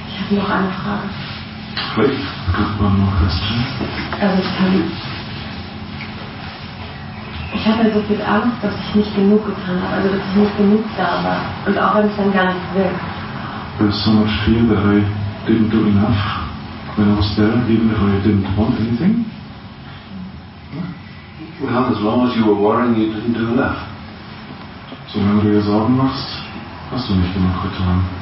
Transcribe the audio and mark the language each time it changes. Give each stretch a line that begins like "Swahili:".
German: Noch eine Frage. Vielleicht gibt man noch Question. Also ich hatte so viel Angst, dass ich nicht genug getan habe, also dass ich nicht genug da war. Und auch wenn ich dann gar nicht will.
English: There's so much fear that I didn't do enough when I was there, even if I didn't want anything. Well, as long as you were worrying, you didn't do enough.
German: So wenn du dir Sorgen machst, hast du nicht genug getan.